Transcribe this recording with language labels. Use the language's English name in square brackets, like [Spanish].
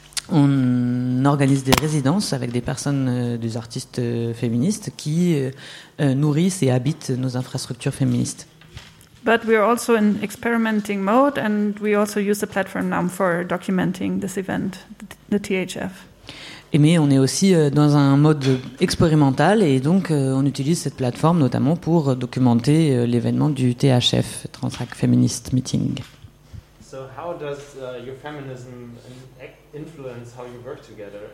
[French] On organise des résidences avec des personnes, des artistes féministes qui nourrissent et habitent nos infrastructures féministes. [English] But we are also in experimenting mode, and we also use the platform now for documenting this event, the THF. [French] Et mais on est aussi dans un mode expérimental, et donc on utilise cette plateforme notamment pour documenter l'événement du THF, Transhack Feminist Meeting. [English] So how does your feminism influence how you work together?